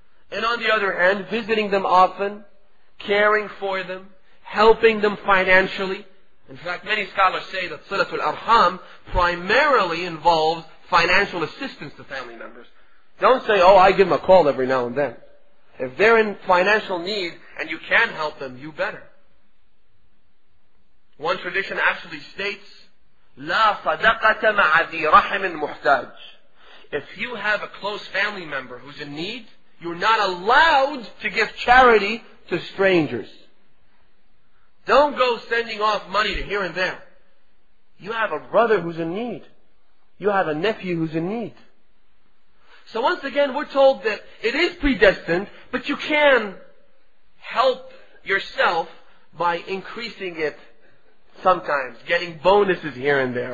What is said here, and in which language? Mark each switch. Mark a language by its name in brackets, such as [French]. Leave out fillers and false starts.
[English] And on the other hand, visiting them often, caring for them, helping them financially. In fact, many scholars say that Salatul Arham primarily involves financial assistance to family members. Don't say, oh, I give them a call every now and then. If they're in financial need and you can help them, you better. One tradition actually states, [Arabic] لَا صَدَقَةَ مَعَ ذِي رَحِمٍ مُحْتَاجٍ. [English] If you have a close family member who's in need, you're not allowed to give charity to strangers. Don't go sending off money to here and there. You have a brother who's in need. You have a nephew who's in need. So once again, we're told that it is predestined, but you can help yourself by increasing it sometimes, getting bonuses here and there.